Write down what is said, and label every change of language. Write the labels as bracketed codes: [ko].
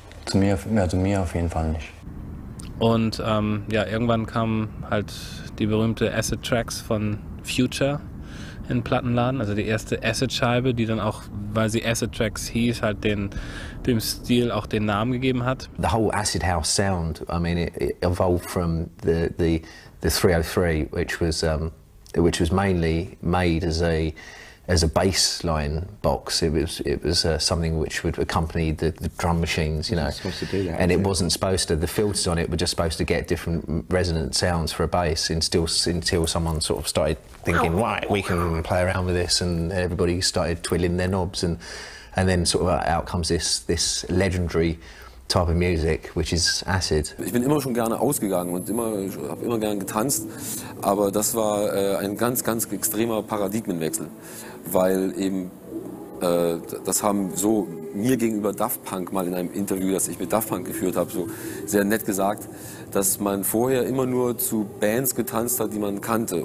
[de] Zu mir auf jeden Fall nicht. Und irgendwann kamen halt die berühmte Acid Tracks von Future in Plattenladen, also die erste Acid-Scheibe, die dann auch, weil sie Acid Tracks hieß, halt dem Stil auch den Namen gegeben hat. [en] The whole Acid House sound, I mean, it evolved from the 303, which was mainly made as a bassline box. It was something which would accompany the drum machines, you know. Wasn't supposed to do that, and it wasn't supposed to. The filters on it were just supposed to get different resonant sounds for a bass. Until someone sort of started thinking, right, we can play around with this, and everybody started twiddling their knobs, and then sort of out comes this legendary type of music, which is acid. [de] Ich bin immer schon gerne ausgegangen und habe immer gerne getanzt, aber das war ein ganz, ganz extremer Paradigmenwechsel, weil eben, das haben so mir gegenüber Daft Punk mal in einem Interview, das ich mit Daft Punk geführt habe, so sehr nett gesagt, dass man vorher immer nur zu Bands getanzt hat, die man kannte.